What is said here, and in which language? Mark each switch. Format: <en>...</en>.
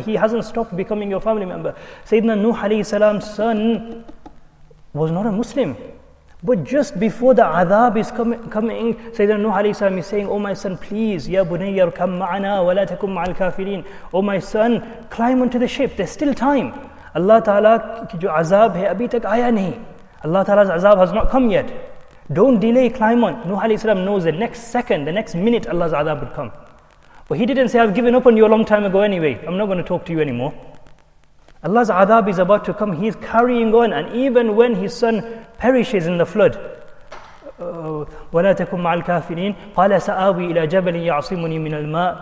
<en>He hasn't stopped becoming your family member. Sayyidina Nuh alayhi salam's son was not a Muslim. But just before the adab is coming, Sayyidina Nuh alayhi salam is saying, oh my son, please,</en> <ar>ya bunayya irkam ma'ana wa la takum ma'al kafirin.</ar> <en>Oh my son, climb onto the ship, there's still time.</en> <ur>اللہ تعالیٰ کی جو عذاب ہے ابھی تک آیا نہیں.</ur> <en>Allah Ta'ala's azab has not come yet. Don't delay, climb on. Nuh alayhi salam knows the next second, the next minute Allah's azab would come. But he didn't say, I've given up on you a long time ago anyway. I'm not going to talk to you anymore. Allah's adab is about to come. He's carrying on. And even when his son perishes in the flood,</en> <ar>وَلَا تَكُمْ مَعَ الْكَافِرِينَ قَالَ سَآوِي إِلَى جَبَلٍ يَعْصِمُنِي مِنَ الْمَاءِ.</ar>